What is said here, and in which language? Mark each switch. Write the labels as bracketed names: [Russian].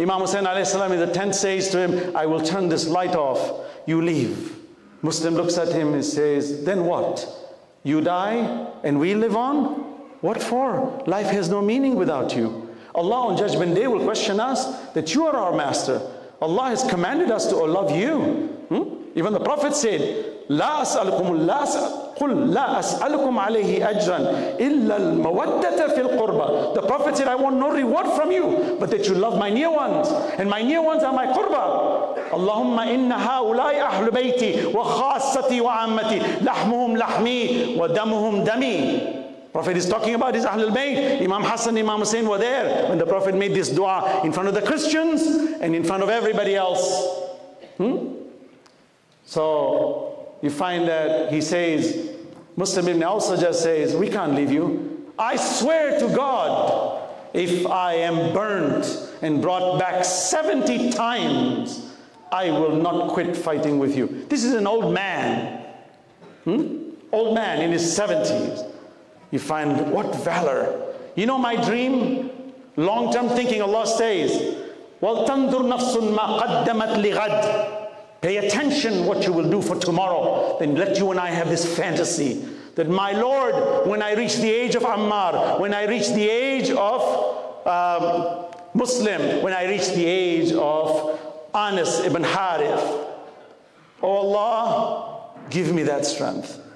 [English] Imam Hussain alayhi salam in the tent says to him, I will turn this light off, you leave. Muslim looks at him and says, then what? You die and we live on? What for? Life has no meaning without you. Allah on Judgment Day will question us that you are our master. Allah has commanded us to love you. Even the Prophet said, [Arabic] لا أسألكم قل لا أسألكم عليه أجرا إلا المودة في القربة. [English] The Prophet said, I want no reward from you, but that you love my near ones, and my near ones are my قربة. [Arabic] اللهم إن هؤلاء أهل بيتي وخاصتي وعامتي لحمهم لحمي ودمهم دمي. [English] Prophet is talking about his Ahlul Bayt. Imam Hassan, Imam Hussein were there when the Prophet made this dua in front of the Christians and in front of everybody else. So you find that he says, Muslim Ibn Awsa just says, we can't leave you. I swear to God, if I am burnt and brought back 70 times, I will not quit fighting with you. This is an old man. Old man in his 70s. You find, what valor. You know my dream? Long-term thinking, Allah says, [Arabic] وَالْتَنْظُرْ نَفْسٌ مَا قَدَّمَتْ لِغَدْ. [English] Pay attention what you will do for tomorrow. Then let you and I have this fantasy that my Lord, when I reach the age of Ammar, when I reach the age of Muslim, when I reach the age of Anas ibn Harith, oh Allah, give me that strength.